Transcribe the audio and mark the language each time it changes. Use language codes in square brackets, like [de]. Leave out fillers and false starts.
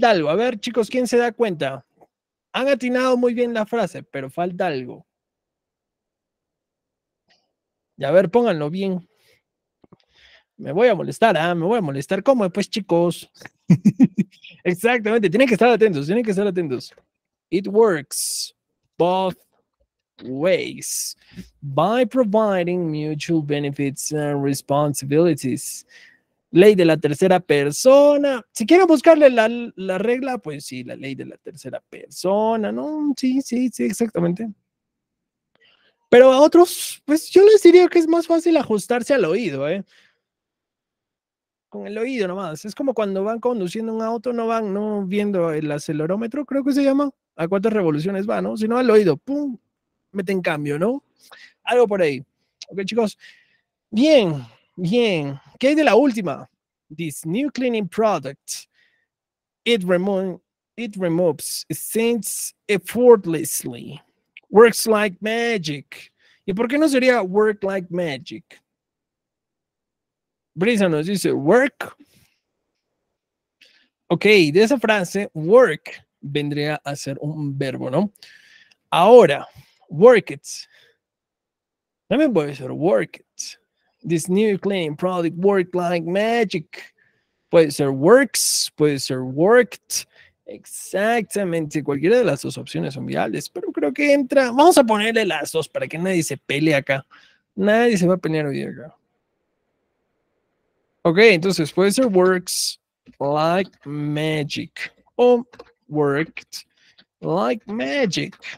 [es] A ver, chicos, ¿quién se da cuenta? Han atinado muy bien la frase, pero falta algo. Y a ver, pónganlo bien. Me voy a molestar, ¿eh? Me voy a molestar. ¿Cómo? Pues, chicos. Exactamente. Tienen que estar atentos. Tienen que estar atentos. [en] It works both ways. By providing mutual benefits and responsibilities. [es] ley de la tercera persona. Si quieren buscarle la regla, pues sí, la ley de la tercera persona, ¿no? Sí, exactamente. Pero a otros, pues yo les diría que es más fácil ajustarse al oído, Con el oído nomás. Es como cuando van conduciendo un auto, no van no viendo el acelerómetro, creo que se llama, a cuántas revoluciones va, ¿no? Sino al oído, pum, meten cambio, ¿no? Algo por ahí. Ok, chicos. Bien, bien. ¿Qué hay de la última? [en] This new cleaning product, it removes stains effortlessly. Works like magic. [es] ¿Y por qué no sería work like magic? Brisa nos dice work. Ok, de esa frase, work vendría a ser un verbo, ¿no? Ahora, work it. También puede ser work it. [en] This new cleaning product work like magic. [es] Puede ser works, puede ser worked. Exactamente, cualquiera de las dos opciones son viables, pero creo que entra. Vamos a ponerle las dos para que nadie se pelee acá. Nadie se va a pelear hoy acá. Ok, entonces puede ser works like magic o worked like magic.